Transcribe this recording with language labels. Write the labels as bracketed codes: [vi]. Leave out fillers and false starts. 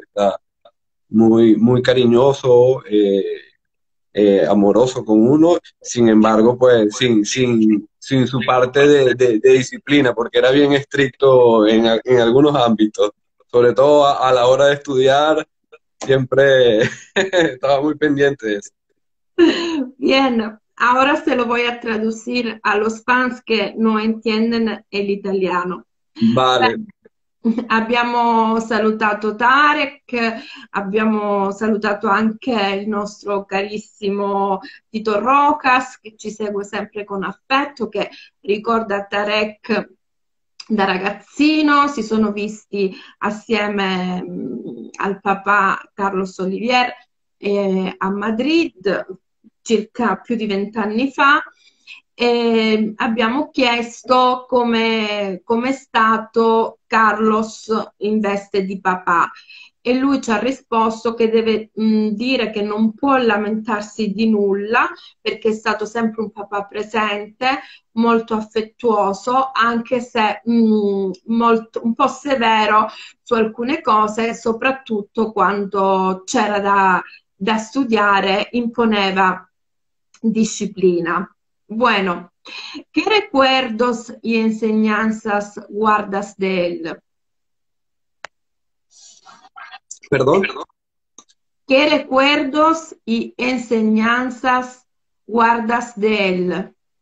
[es] Está muy, muy cariñoso, amoroso con uno, sin embargo, pues sin su parte de disciplina, porque era bien estricto en algunos ámbitos, sobre todo a la hora de estudiar, siempre estaba muy pendiente de eso. Bien, ahora se lo voy a traducir a los fans que no entienden el italiano. Vale. [it] Abbiamo salutato Tarek, abbiamo salutato anche il nostro carissimo Tito Rocas che ci segue sempre con affetto, che ricorda Tarek da ragazzino, si sono visti assieme al papà Carlos Olivier a Madrid circa più di 20 anni fa, e abbiamo chiesto come è stato Carlos in veste di papà, e lui ci ha risposto che deve dire che non può lamentarsi di nulla perché è stato sempre un papà presente, molto affettuoso, anche se molto, un po' severo su alcune cose, soprattutto quando c'era da studiare, imponeva disciplina. [es] Bueno, ¿qué recuerdos y enseñanzas guardas de Perdón. ¿Qué recuerdos y enseñanzas guardas de él?